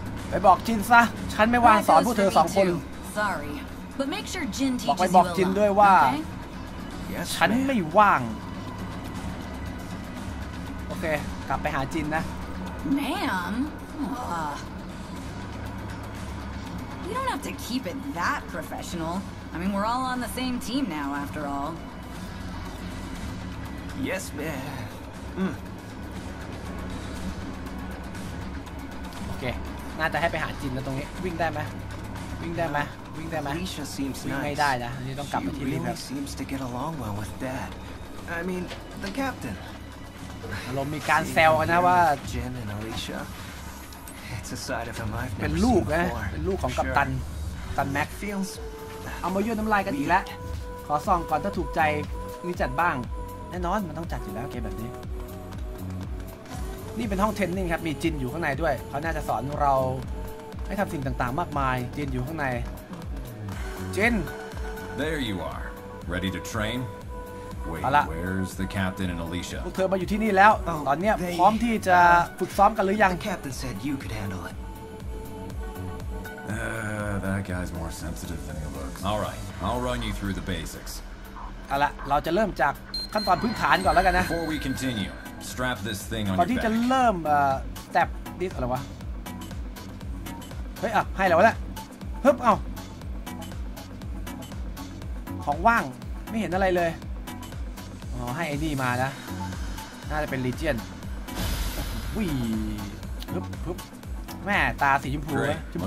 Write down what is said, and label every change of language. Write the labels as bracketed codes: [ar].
[th] ไปบอกจินซะฉันไม่ว่างสอนพวกเธอสองคน [en] Sorry, but make sure Jin teaches you a lot. [th] บอกจินด้วยว่าฉันไม่ว่างโอเคกลับไปหาจินนะ [en] Ma'am, you don't have to keep it that professional. I mean, we're all on the same team now, after all. Yes, ma'am. [th] โอเคน่าจะให้ไปหาจินนะตรงนี้วิ่งได้ไหมวิ่งได้ไหมวิ่งได้ไหมวิ่งไม่ ได้นะนี่ต้องกลับไปที่ลิฟต์ครับ [en] She really seems to get along well with Dad. I mean, the captain. [th] เรามีการแซวกันนะว่า [en] Jin and Alicia. It's a side of him I've never seen before. [th] เป็นลูกของกัปตันแม็ก ฟิลส์เอามายื่นน้ำลายกันอีกแล้วขอส่องก่อนถ้าถูกใจมีจัดบ้างแน่นอนมันต้องจัดอยู่แล้วเกมแบบนี้นี่เป็นห้องเทรนนิ่งครับมีจินอยู่ข้างในด้วยเขาน่าจะสอนเราให้ทำสิ่งต่างๆมากมายจินอยู่ข้างในJin. [en] There you are. Ready to train? Wait, where's the captain and Alicia? [th] พวกเธอมาอยู่ที่นี่แล้วตอนนี้พร้อมที่จะฝึกซ้อมกันหรือยัง [en] The captain said you could handle it. That guy's more sensitive than he looks. All right, I'll run you through the basics. [th] เอาละเราจะเริ่มจากขั้นตอนพื้นฐานก่อนแล้วกันนะ [en] Before we continue, strap this thing on your back. [th] ก่อนที่จะเริ่มแตบดิสอะไรวะเฮ้ยอ่ะให้แล้วละฮึบเอาของว่างไม่เห็นอะไรเลยอ๋อให้ไอ้นี่มานะน่าจะเป็นลีเจียนวิ่งปึ๊บแม่ตาสีชมพูชมพ